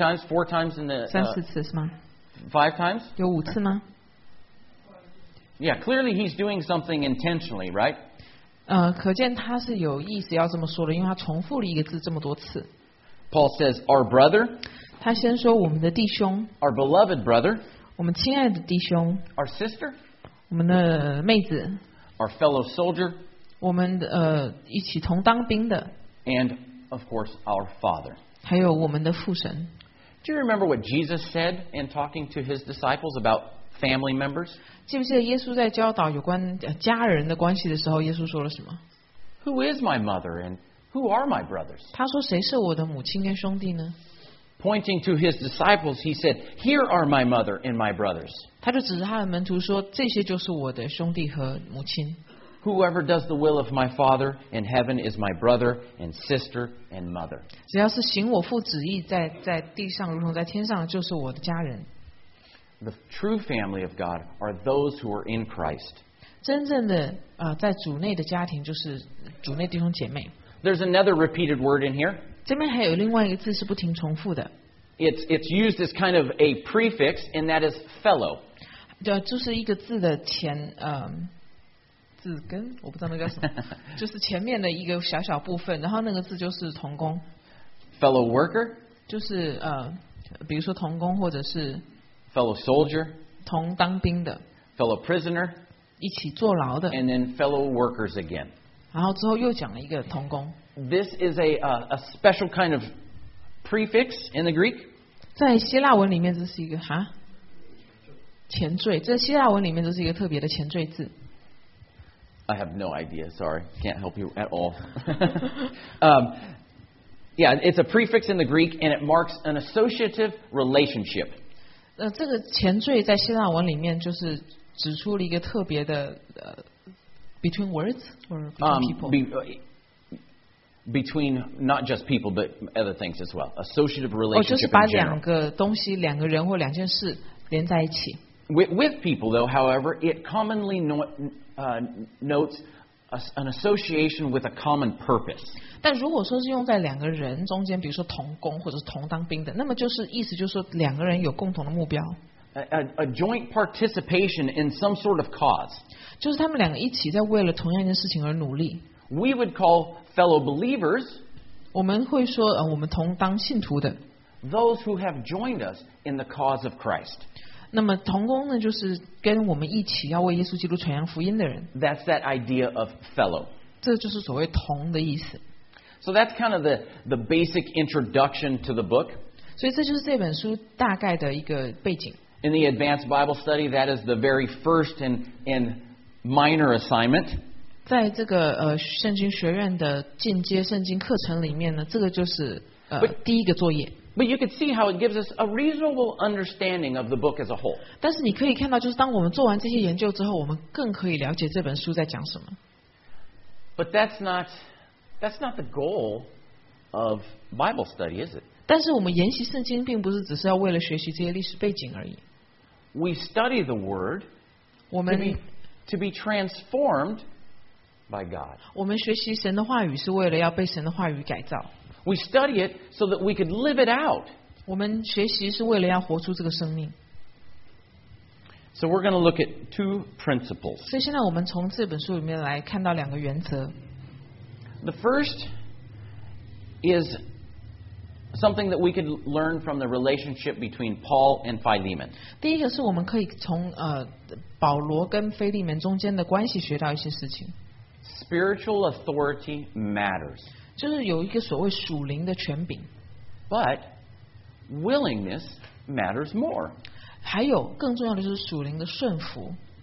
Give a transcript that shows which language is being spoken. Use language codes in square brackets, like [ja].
[en] Three times, four times, five times? [zh] 有五次吗? [en] Yeah, clearly he's doing something intentionally, right? [zh] 可见他是有意思要这么说的，因为他重复了一个字这么多次。 [en] Paul says, our brother. [zh] 他先说我们的弟兄。 [en] Our beloved brother. [zh] 我们亲爱的弟兄。 [en] Our sister. [zh] 我们的妹子。 [en] Our fellow soldier. [zh] 我们一起同当兵的。 [en] And of course, our Father. [zh] 还有我们的父神。 [en] Do you remember what Jesus said in talking to his disciples about family members? [zh] 记不记得耶稣在教导有关家人的关系的时候，耶稣说了什么？ [en] Who is my mother and who are my brothers? [zh] 他说谁是我的母亲跟兄弟呢？ [en] Pointing to his disciples, he said, "Here are my mother and my brothers." [zh] 他就指着他的门徒说，这些就是我的兄弟和母亲。 [en] Whoever does the will of my Father in heaven is my brother and sister and mother. [zh] 只要是行我父旨意在地上如同在天上，就是我的家人。 [en] The true family of God are those who are in Christ. [zh] 真正的在主内的家庭就是主内弟兄姐妹。 [en] There's another repeated word in here. [zh] 这边还有另外一个字是不停重复的。 [en] It's used as kind of a prefix, and that is fellow. [zh] 对，就是一个字的前字根，我不知道那叫什么，就是前面的一个小小部分，然后那个字就是同工 [en] ，fellow worker， [zh] 就是比如说同工或者是 [en] fellow soldier， [zh] 同当兵的 [en] ，fellow prisoner， [zh] 一起坐牢的 [en] ，and then fellow workers again， [zh] 然后之后又讲了一个同工。 [en] This is a special kind of prefix in the Greek， [zh] 在希腊文里面这是一个哈前缀，在希腊文里面这是一个特别的前缀字。 [en] I have no idea. Sorry, can't help you at all. yeah, it's a prefix in the Greek, and it marks an associative relationship. [zh] 这个前缀在希腊文里面就是指出了一个特别的 [en] between words or between people, not just people but other things as well. Associative relationship. [zh] 就是把两个东西、两个人或两件事连在一起。 [en] With people, though, however, it commonly notes an association with a common purpose. [zh] 但如果说是用在两个人中间，比如说同工或者同当兵的，那么就是意思就是说两个人有共同的目标。 [en] A joint participation in some sort of cause. [zh] 就是他们两个一起在为了同样一件事情而努力。 [en] We would call fellow believers. [zh] 我们会说我们同当信徒的。 [en] Those who have joined us in the cause of Christ. [zh] 那么同工呢，就是跟我们一起要为耶稣基督传扬福音的人。 [en] That's that idea of fellow. [zh] 这就是所谓同的意思。 [en] So that's kind of the basic introduction to the book. [zh] 所以这就是这本书大概的一个背景。 [en] In the advanced Bible study, that is the very first and minor assignment. [zh] 在这个圣经学院的进阶圣经课程里面呢，这个就是第一个作业。 [en] But you can see how it gives us a reasonable understanding of the book as a whole. [zh] 但是你可以看到，就是当我们做完这些研究之后，我们更可以了解这本书在讲什么。 [en] But that's not the goal of Bible study, is it? [zh] 但是我们研习圣经并不是只是要为了学习这些历史背景而已。 [en] We study the word to be transformed by God. [zh] 我们学习神的话语是为了要被神的话语改造。 [en] We study it so that we could live it out. [zh] 我们学习是为了要活出这个生命。 [en] So we're going to look at two principles. [zh] 所以现在我们从这本书里面来看到两个原则。 [en] The first is something that we could learn from the relationship between Paul and Philemon. [zh] 第一个是我们可以从保罗跟腓利门中间的关系学到一些事情。 [en] Spiritual authority matters. [zh] 就是有一个所谓属灵的权柄。 [en] But willingness matters more. [zh] 还有更重要的就是属灵的顺服。